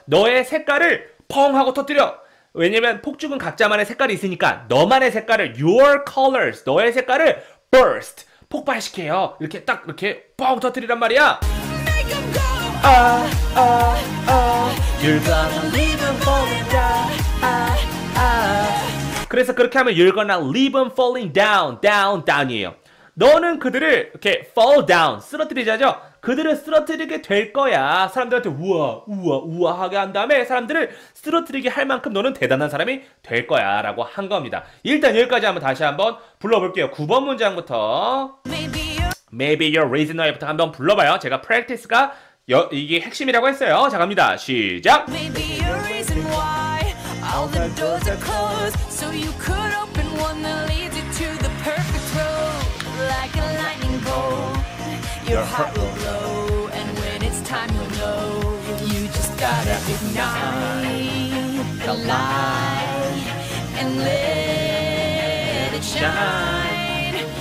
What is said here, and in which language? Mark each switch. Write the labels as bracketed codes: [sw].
[ko] 너의 색깔을 펑 하고 터뜨려. 왜냐면 폭죽은 각자만의 색깔이 있으니까 너만의 색깔을 [en] your colors, [ko] 너의 색깔을 burst, 폭발시켜요. 이렇게 딱 이렇게 펑 터뜨리란 말이야. [en] Make em go. You're gonna leave them falling down. [ko] 그래서 그렇게 하면 [en] you're gonna leave them falling down, down, down이에요. [ko] 너는 그들을 이렇게 [en] fall down, [ko] 쓰러뜨리자죠? 그들을 쓰러뜨리게 될 거야. 사람들한테 우와, 우와, 우아하게 한 다음에 사람들을 쓰러뜨리게 할 만큼 너는 대단한 사람이 될 거야 라고 한 겁니다. 일단 여기까지 한번 다시 한번 불러볼게요. 9번 문장부터 [en] Maybe your reason why [ko] 부터 한번 불러봐요. 제가 practice가 이게 핵심이라고 했어요. 자, 갑니다. 시작! [en] Maybe your reason why all the doors are closed so you could open one that leads you to the perfect road like a lightning bolt. Your heart will glow, and when it's time you'll know. You just gotta ignite the light and let it shine.